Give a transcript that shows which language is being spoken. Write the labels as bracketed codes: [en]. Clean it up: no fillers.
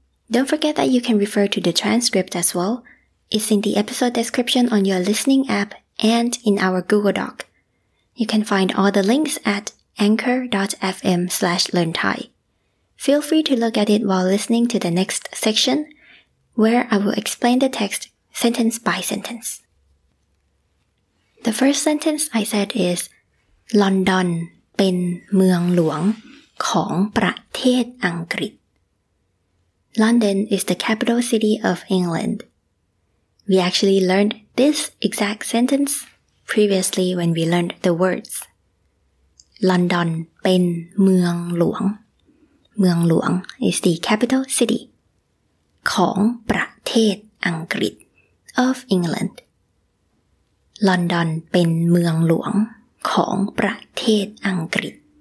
[en] Don't forget that you can refer to the transcript as well. It's in the episode description on your listening app and in our Google Doc. You can find all the links at anchor.fm/learnthai. Feel free to look at it while listening to the next section, where I will explain the text sentence by sentence. The first sentence I said is, London [th] เป็นเมืองหลวงของประเทศอังกฤษ [en] London is the capital city of England. We actually learned this exact sentence previously when we learned the words. London [th] เป็นเมืองหลวง เมืองหลวง [en] is the capital city [th] ของประเทศอังกฤษ [en] of England. [th] London เป็นเมืองหลวงของประเทศอังกฤษ